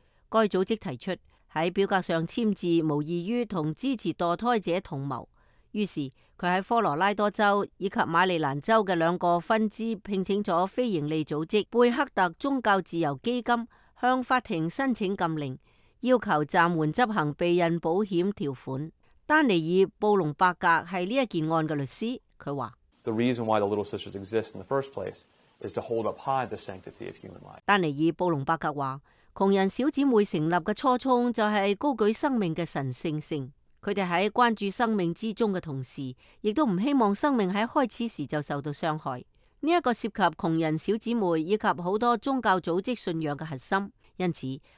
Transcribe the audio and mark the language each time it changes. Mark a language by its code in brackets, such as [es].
[zh] 该组织提出在表格上签字无异于和支持堕胎者同谋，于是他在科罗拉多州以及马里兰州的两个分支聘请了非营利组织贝克特宗教自由基金向法庭申请禁令，要求暂缓执行避孕保险条款。丹尼尔·布隆伯格是这件案的律师，他说 [en] The reason why the little sisters exist in the first place is to hold up high the sanctity of human life。 [zh] 丹尼尔·布隆伯格说，穷人小姊妹成立的初衷就是高举生命的神圣性，他们在关注生命之中的同时，亦都不希望生命在开始时就受到伤害。这个涉及穷人小姊妹以及很多宗教组织信仰的核心，因此